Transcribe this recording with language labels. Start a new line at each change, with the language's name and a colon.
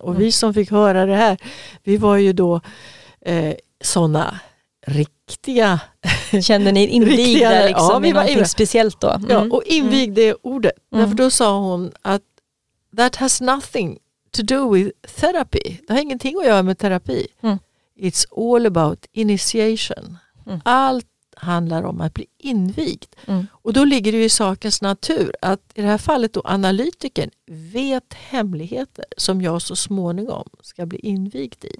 Swedish: Och vi som fick höra det här, vi var ju då sådana riktiga. Kände ni invigda liksom, ja, vi var invigda. Speciellt då? Ja, och invigd är ordet. Därför då sa hon att
English: that has nothing to do with therapy.
Swedish: Det har ingenting att göra med terapi. Mm.
English: It's all about initiation. Mm.
Swedish: Allt handlar om att bli invigd. Mm. Och då ligger det ju i sakens natur att i det här fallet då analytiken vet hemligheter som jag så småningom ska bli invigd i.